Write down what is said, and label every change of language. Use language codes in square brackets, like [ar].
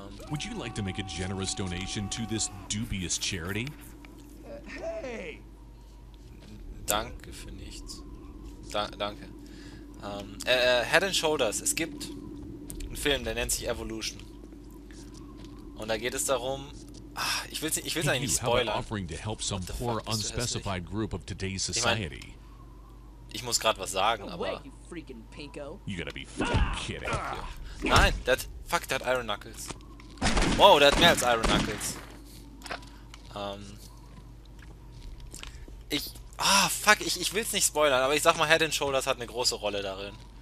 [en] Would you like to make a generous donation to this dubious charity? Hey! [de] Danke für nichts. Danke. Head and Shoulders. Es gibt Film, der nennt sich Evolution. Und da geht es darum, ach, ich will's eigentlich nicht spoilern. [en] Offering to help some poor unspecified group of today's society. [de] Ich muss gerade was sagen, aber [en] you gotta be fucking kidding. [de] Nein, der hat Iron Knuckles. Wow, der hat mehr als Iron Knuckles. Ich will's nicht spoilern, aber ich sag mal, Head and Shoulders hat eine große Rolle darin.